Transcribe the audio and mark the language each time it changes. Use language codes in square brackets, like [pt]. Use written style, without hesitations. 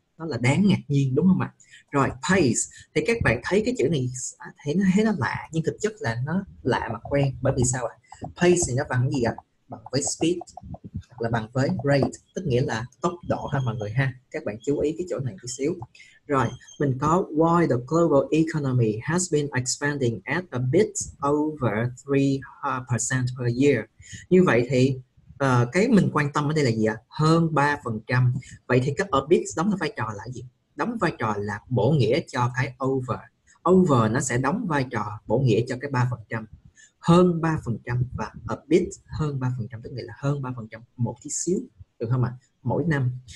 [vi] Nó là đáng ngạc nhiên đúng không ạ? Rồi, pace, thì các bạn thấy cái chữ này thấy nó lạ, nhưng thực chất là nó lạ mà quen. Bởi vì sao ạ? Pace thì nó bằng gì ạ? Bằng với speed hoặc là bằng với rate, tức nghĩa là tốc độ ha mọi người ha. Các bạn chú ý cái chỗ này chút xíu. Rồi, mình có [en] why the global economy has been expanding at a bit over 3% per year. [vi] Như vậy thì cái mình quan tâm ở đây là gì ạ? Hơn 3%. Vậy thì cái [en] a bit [vi] đóng vai trò là gì? đóng vai trò là bổ nghĩa cho cái over. Over nó sẽ đóng vai trò bổ nghĩa cho cái 3%, hơn 3% và a bit hơn 3%, tức nghĩa là hơn 3% một tí xíu, được không ạ? Mỗi năm.